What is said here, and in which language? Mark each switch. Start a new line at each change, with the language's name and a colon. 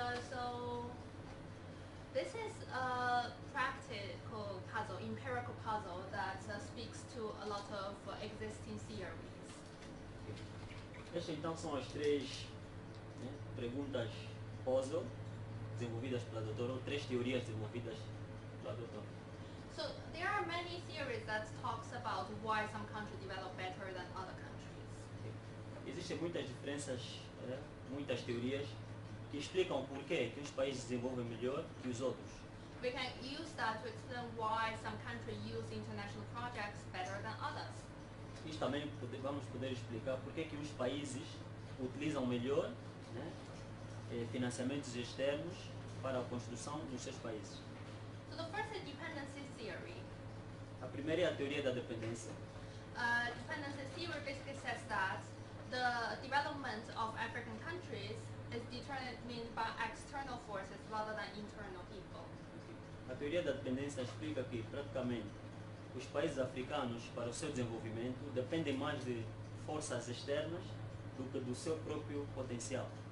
English: So this is a practical puzzle, empirical puzzle that speaks to a lot of existing theories.
Portuguese: Estas então são as três, né, perguntas puzzle desenvolvidas pela doutora, ou três teorias desenvolvidas pela doutora.
English: So there are many theories that talks about why some countries develop better than other countries. Okay.
Portuguese: Existem muitas diferenças, muitas teorias que explicam por que uns países desenvolvem melhor que os outros.
English: We can use that to explain why some countries use international projects better than others.
Portuguese: Isso também vamos poder explicar por que uns países utilizam melhor, né, financiamentos externos para a construção dos seus países.
English: So the first is dependency theory.
Portuguese: A primeira é a teoria da dependência.
English: Dependency theory basically says that the development of African countries is determined by external forces rather than internal people.
Portuguese: A teoria da dependência explica que praticamente os países africanos para o seu desenvolvimento dependem mais de forças externas do que do seu próprio potencial.